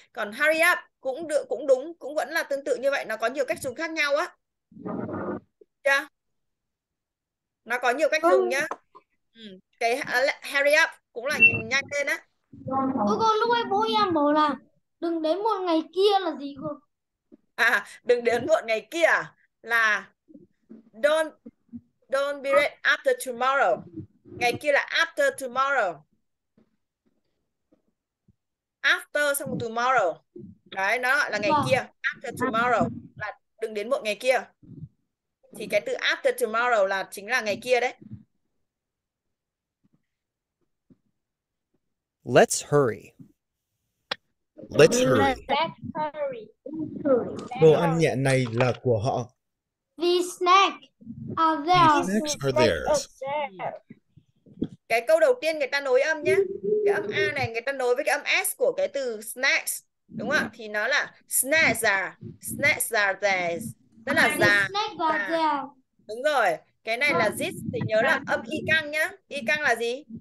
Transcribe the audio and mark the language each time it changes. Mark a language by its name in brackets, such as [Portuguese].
[Vietnamese] Còn [English] hurry up [Vietnamese] cũng được, cũng đúng, cũng vẫn là tương tự như vậy. Nó có nhiều cách dùng khác nhau á. Yeah. Nó có nhiều cách dùng nhá. Cái [English] hurry up [Vietnamese] cũng là nhanh lên á. Ôi con, lúc ấy bố em bảo là đừng đến muộn ngày kia là gì cơ? À, đừng đến muộn ngày kia à? Là [English] don't be late after tomorrow. [Vietnamese] Ngày kia là [English] after tomorrow. After [Vietnamese] xong [English] tomorrow. [Vietnamese] Đấy, nó là ngày kia. [English] After tomorrow [Vietnamese] là đừng đến muộn ngày kia. Thì cái từ [English] after tomorrow [Vietnamese] là chính là ngày kia đấy. [English] Let's hurry. Let's hurry. Let's hurry. [Vietnamese] Đồ ăn nhẹ này là của họ. [English] These snacks are theirs. [Vietnamese] Cái câu đầu tiên người ta nối âm nhé. Cái âm A này người ta nối với cái âm S của cái từ snacks. Đúng không? Thì nó là [English] snacks are. Snacks are theirs. [Vietnamese] Tức là già. Đúng rồi. Cái này là [English] this. [Vietnamese] Thì nhớ là âm Y căng nhé. Y căng là gì?